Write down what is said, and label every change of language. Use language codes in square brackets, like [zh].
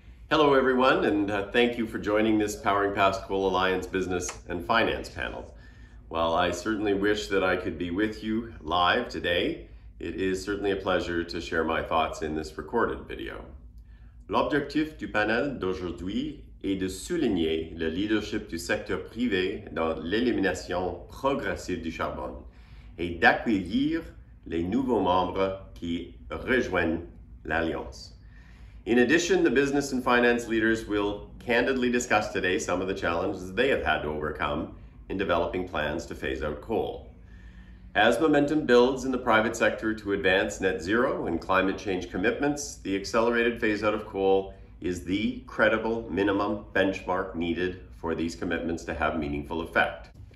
[en] Hello, everyone, and thank you for joining this Powering Past Coal Alliance Business and Finance panel. While I certainly wish that I could be with you live today, it is certainly a pleasure to share my thoughts in this recorded video. [fr] L'objectif du panel d'aujourd'hui est de souligner le leadership du secteur privé dans l'élimination progressive du charbon et d'accueillir les nouveaux membres qui rejoignent l'Alliance. [en] In addition, the business and finance leaders will candidly discuss today some of the challenges they have had to overcome in developing plans to phase out coal. As momentum builds in the private sector to advance net zero and climate change commitments, the accelerated phase out of coal is the credible minimum benchmark needed for these commitments to have meaningful effect.